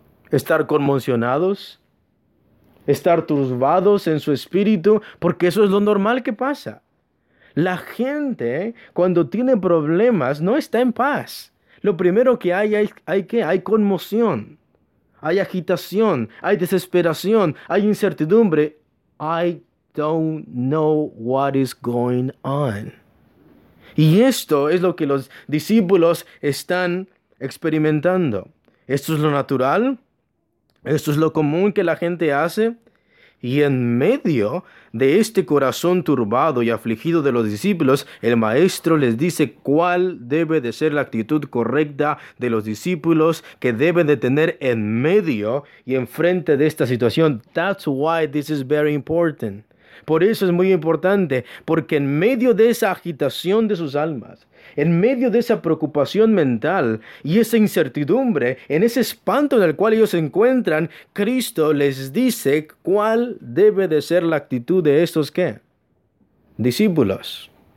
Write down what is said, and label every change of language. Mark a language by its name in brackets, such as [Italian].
[Spanish] ¿Estar conmocionados? ¿Estar turbados en su espíritu? Porque eso es lo normal que pasa. La gente, cuando tiene problemas, no está en paz. Lo primero que hay conmoción, hay agitación, hay desesperación, hay incertidumbre. [English] I don't know what is going on. [Spanish] Y esto es lo que los discípulos están experimentando. Esto es lo natural. Esto es lo común que la gente hace. Y en medio de este corazón turbado y afligido de los discípulos, el maestro les dice cuál debe de ser la actitud correcta de los discípulos que deben de tener en medio y enfrente de esta situación. [English] That's why this is very important. [Spanish] Por eso es muy importante, porque en medio de esa agitación de sus almas, en medio de esa preocupación mental y esa incertidumbre, en ese espanto en el cual ellos se encuentran, Cristo les dice cuál debe de ser la actitud de estos, ¿qué? Discípulos.